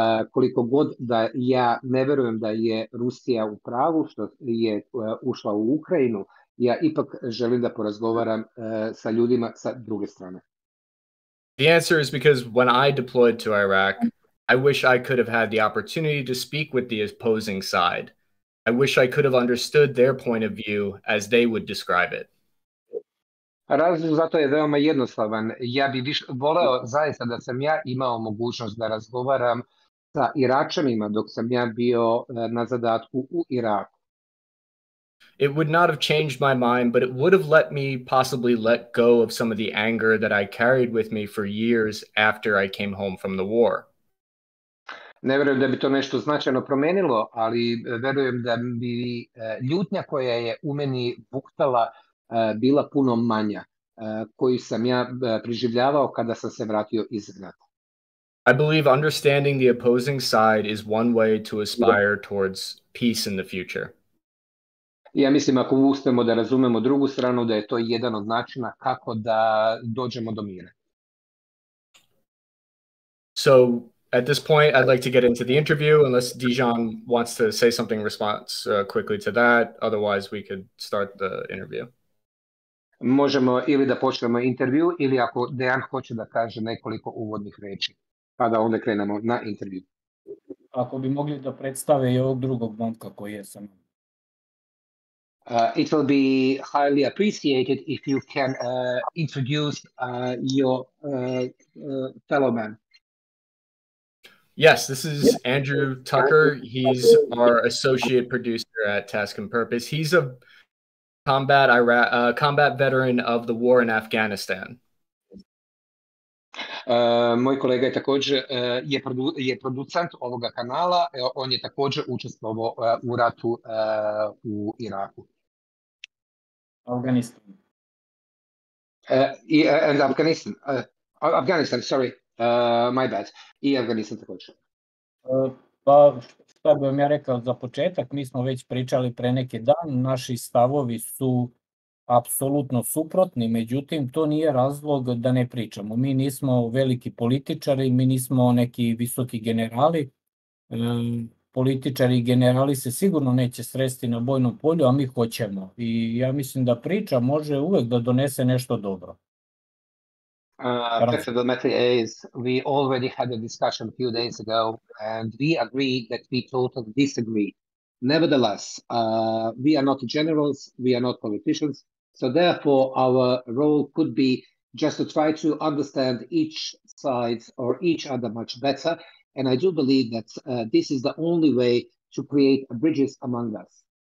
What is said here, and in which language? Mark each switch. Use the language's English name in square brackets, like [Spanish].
[Serbian] Koliko god da ja ne vjerujem da je Rusija u pravu što je ušla u Ukrajinu, ja ipak želim da porazgovaram sa ljudima sa druge strane. [English] The answer is because when I deployed to Iraq, I wish I could have had the opportunity to speak with the opposing side. I wish I could have understood their point of view as they would describe it. [Serbian] Razlog za to je veoma jednostavan. Ja bih voleo zaista da sam ja imao mogućnost da razgovaram sa Iračanima dok sam ja bio na zadatku u Iraku. [English] It would not have changed my mind, but it would have let me possibly let go of some of the anger that I carried with me for years after I came home from the war. [Serbian] Ne vjerujem da bi to nešto značajno promijenilo, ali vjerujem da bi ljutnja koja je u meni buktala bila puno manja koji sam ja preživljavao kada sam se vratio iz rata. [English] I believe understanding the opposing side is one way to aspire towards peace in the future. [Serbian] Ja mislim ako uspemo da razumemo drugu stranu da je to jedan od načina kako da dođemo do mira. [English] So at this point I'd like to get into the interview unless Dejan wants to say something in response quickly to that, otherwise we could start the interview. [Serbian] Možemo ili da počnemo intervju ili ako Dejan hoće da kaže nekoliko uvodnih reči, pa da onda krenemo na intervju. Ako bi mogli da predstave I ovog drugog momka koji je sam. [English] It will be highly appreciated if you can introduce your fellow man. Yes, this is Andrew Tucker. He's our associate producer at Task and Purpose. He's a combat veteran of the war in Afghanistan. [Serbian] Moj kolega je također je producent ovoga kanala. On je također učestvovao u ratu u Iraku. [English] Afghanistan. And Afghanistan. Afghanistan, sorry. My bad. [Serbian] I Afghanistan također. Pa šta bi vam ja rekao za početak, mi smo već pričali pre neki dan, naši stavovi su apsolutno suprotni, međutim to nije razlog da ne pričamo. Mi nismo veliki političari, mi nismo neki visoki generali, političari I generali se sigurno neće sresti na bojnom polju, a mi hoćemo. I ja mislim da priča može uvek da donese nešto dobro. [English] First of the matter is, we already had a discussion a few days ago, and we agreed that we totally disagree. Nevertheless, we are not generals, we are not politicians, so therefore our role could be just to try to understand each side or each other much better, and I do believe that this is the only way to create bridges among us.